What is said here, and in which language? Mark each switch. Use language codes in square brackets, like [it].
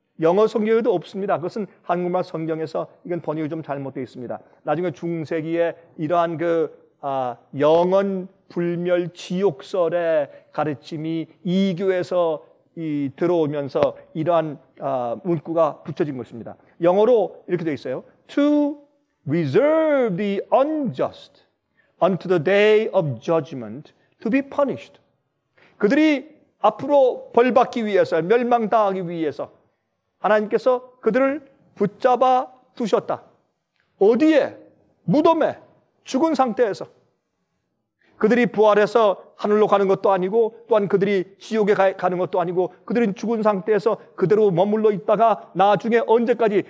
[ko] 영어 성경에도 없습니다. 그것은 한국말 성경에서 이건 번역이 좀 잘못되어 있습니다. 나중에 중세기에 이러한 그 영원 불멸 지옥설의 가르침이 이교에서 들어오면서 이러한 문구가 붙여진 것입니다. 영어로 이렇게 되어 있어요. [en] To reserve the unjust unto the day of judgment to be punished. [ko] 그들이 앞으로 벌받기 위해서, 멸망당하기 위해서 하나님께서 그들을 붙잡아 두셨다. 어디에? 무덤에? 죽은 상태에서. 그들이 부활해서 하늘로 가는 것도 아니고 또한 그들이 지옥에 가는 것도 아니고 그들은 죽은 상태에서 그대로 머물러 있다가 나중에 언제까지?